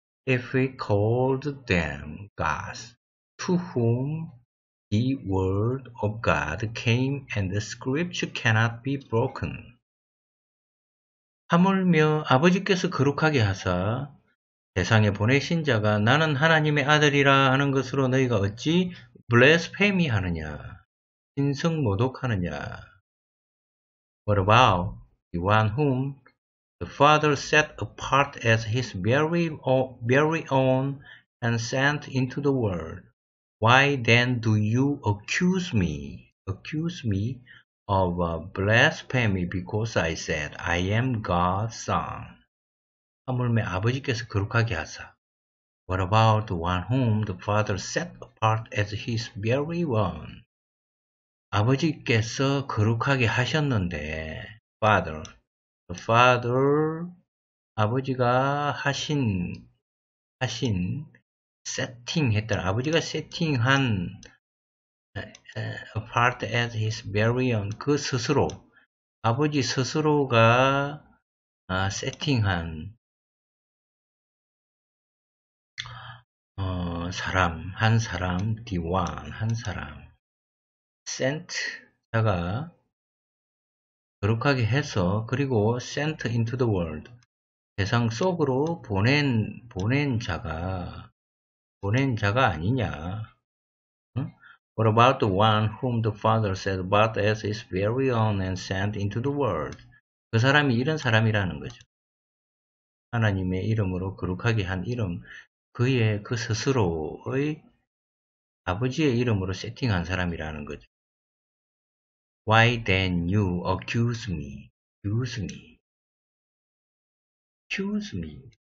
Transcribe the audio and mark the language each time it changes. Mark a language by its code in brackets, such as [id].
[en] If we called them gods, to whom the word of God came and the scripture cannot be broken. [ko] 하물며 아버지께서 거룩하게 하사 세상에 보내신 자가 나는 하나님의 아들이라 하는 것으로 너희가 어찌 blasphemy 하느냐, 신성모독하느냐. [en] What about the one whom the Father set apart as his very own and sent into the world? Why then do you accuse me of blasphemy because I said I am God's son? [ko] 하물며 아버지께서 거룩하게 하사. [en] What about the one whom the Father set apart as his very own? [ko] 아버지께서 거룩하게 하셨는데, [en] Father, the Father, [ko] 아버지가 하신 세팅했던, 아버지가 세팅한 [en] apart as his very own, [ko] 그 스스로, 아버지 스스로가 세팅한 사람, 한 사람, [en] the one, [ko] 한 사람, [en] sent, [ko] 자가 거룩하게 해서, 그리고 [en] sent into the world, [ko] 세상 속으로 보낸 자가 아니냐. [en] What about the one whom the Father said but as his very own and sent into the world? [ko] 그 사람이 이런 사람이라는 거죠. 하나님의 이름으로 거룩하게 한 이름, 그의 그 스스로의 아버지의 이름으로 세팅한 사람이라는 거죠. [en] Why then you accuse me? Accuse me.